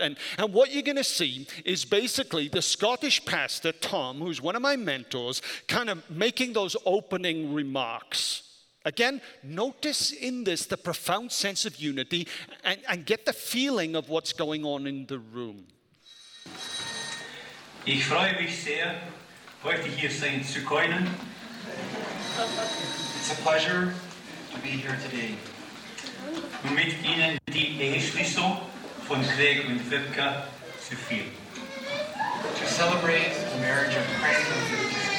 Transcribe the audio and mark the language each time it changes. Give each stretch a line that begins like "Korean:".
English: And what you're going to see is basically the Scottish pastor, Tom, who's one of my mentors, kind of making those opening remarks. Again, notice in this the profound sense of unity and get the feeling of what's going on in the room.
German: Ich freue mich sehr, heute hier sein zu können.
English: It's a pleasure to be here today.
German: Um mit Ihnen die Eheschließung von Craig und Vibeke zu feiern.
English: To celebrate the marriage of Craig and Vibeke.